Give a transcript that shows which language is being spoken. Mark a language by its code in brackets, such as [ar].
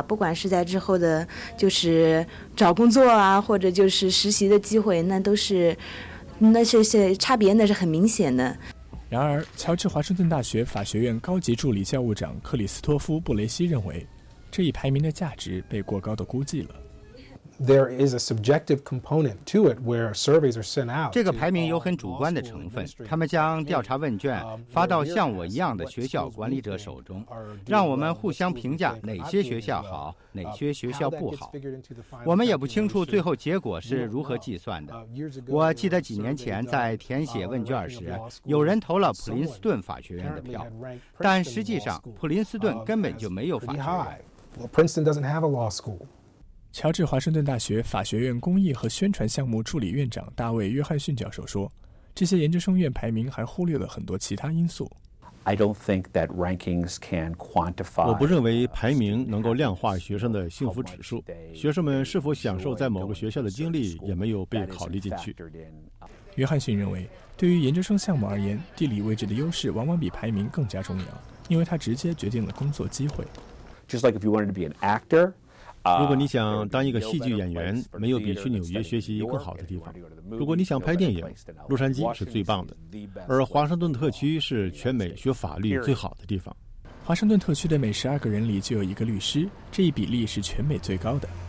[zh] 不管是在之后的，就是找工作啊，或者就是实习的机会，那是差别很明显的。然而，乔治华盛顿大学法学院高级助理教务长克里斯托夫·布雷西认为，这一排名的价值被过高的估计了。 [en] There is a subjective component to it where surveys are sent out. [zh] 这个排名有很主观的成分，他们将调查问卷发到像我一样的学校管理者手中，让我们互相评价哪些学校好，哪些学校不好。我们也不清楚最后结果是如何计算的。我记得几年前在填写问卷时，有人投了普林斯顿法学院的票，但实际上普林斯顿根本就没有法学院。乔治华盛顿大学法学院公益和宣传项目助理院长大卫·约翰逊教授说，这些研究生院排名还忽略了很多其他因素。我不认为排名能够量化学生的幸福指数，学生们是否享受在某个学校的经历也没有被考虑进去。约翰逊认为，对于研究生项目而言，地理位置的优势往往比排名更加重要，因为它直接决定了工作机会。 [en] Just like if you wanted to be an actor, [zh] 如果你想当一个戏剧演员，没有比去纽约学习更好的地方。如果你想拍电影，洛杉矶是最棒的，而华盛顿特区是全美学法律最好的地方。华盛顿特区的每12个人里就有一个律师，这一比例是全美最高的。